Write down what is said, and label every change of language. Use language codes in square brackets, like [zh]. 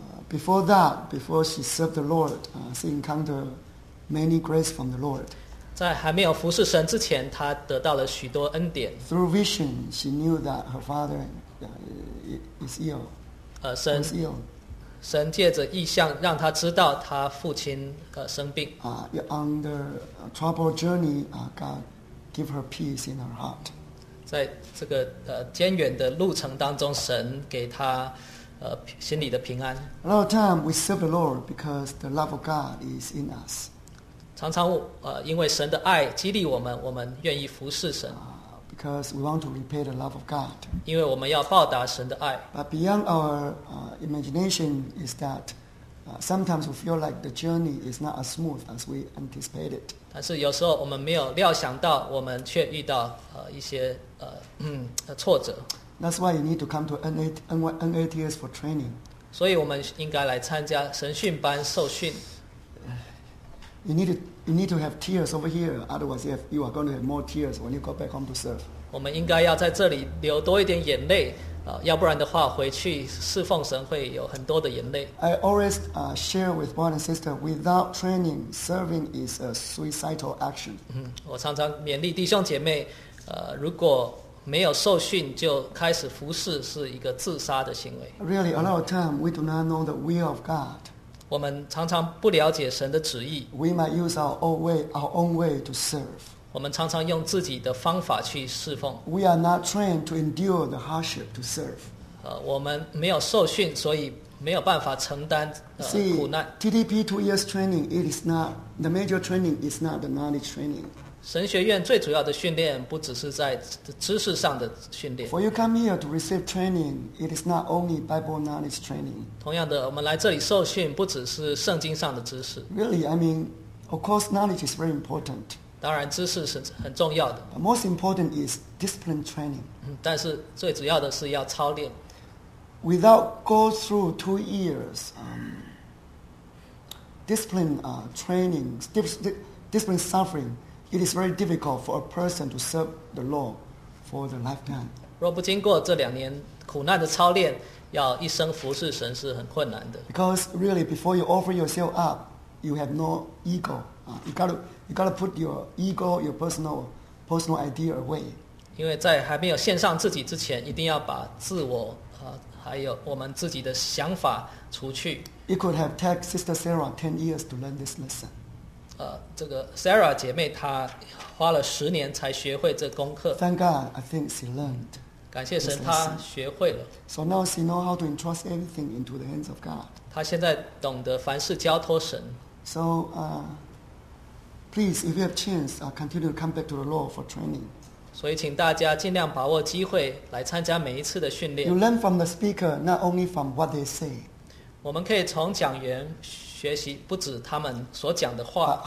[en] Before she served the Lord, she encountered many grace from the Lord. [zh] 在还没有服侍神之前，她得到了许多恩典。 [en] Through vision, she knew that her father is ill. [zh] 神 [en] was ill. [zh] 神借着异象让她知道她父亲生病。 [en] On the troubled journey, God gave her peace in her heart. [zh] 在这个艰远的路程当中，神给他心里的平安。 [en] A lot of time we serve the Lord because the love of God is in us. [zh] 常常因为神的爱激励我们，我们愿意服侍神。 [en] Because we want to repay the love of God. [zh] 因为我们要报答神的爱。 [en] But beyond our imagination is that sometimes we feel like the journey is not as smooth as we anticipated. [zh] 但是有时候我们没有料想到，我们却遇到一些挫折。 [en] That's why you need to come to NATS for training. [zh] 所以我们应该来参加神训班受训。 [en] You need to have tears over here, otherwise you are going to have more tears when you go back home to serve. [zh] 我们应该要在这里流多一点眼泪。要不然的话，回去侍奉神会有很多的眼泪。 [en] I always share with brother and sister, without training, serving is a suicidal action. [zh] 我常常勉励弟兄姐妹，如果没有受训就开始服侍，是一个自杀的行为。 [en] Really, a lot of time we do not know the will of God. [zh] 我们常常不了解神的旨意。 [en] We might use our own way to serve. [zh] 我们常常用自己的方法去侍奉。 [en] We are not trained to endure the hardship to serve. [zh] 我们没有受训，所以没有办法承担苦难。 [en] See, TTP 2 years training, it is not the major training. Is not the knowledge training. [zh] 神学院最主要的训练不只是在知识上的训练。 [en] For you come here to receive training, it is not only Bible knowledge training. [zh] 同样的，我们来这里受训不只是圣经上的知识。 [en] Really, I mean, of course, knowledge is very important. [zh] 当然知识是很重要的。 [en] But most important is discipline training. [zh] 但是最主要的是要操练。 [en] Without go through 2 years, discipline suffering, it is very difficult for a person to serve the Lord for the lifetime. [zh] 若不经过这两年苦难的操练，要一生服侍神是很困难的。 [en] Because really, before you offer yourself up, you have no ego. You gotta put your ego, your personal idea away. [zh] 因为在还没有献上自己之前，一定要把自我还有我们自己的想法除去。 [en] It could have taken Sister Sarah 10 years to learn this lesson. [zh] 这个 Sarah 姐妹她花了10年才学会这功课。 [en] Thank God, I think she learned. [zh] 感谢神，她学会了。 [en] So now she knows how to entrust everything into the hands of God. [zh] 她现在懂得凡事交托神。 [en] So, please, if you have chance, continue to come back to the Lord for training. [zh] 所以请大家尽量把握机会来参加每一次的训练。 [en] You learn from the speaker, not only from what they say. [zh] 我们可以从讲员学习，不止他们所讲的话。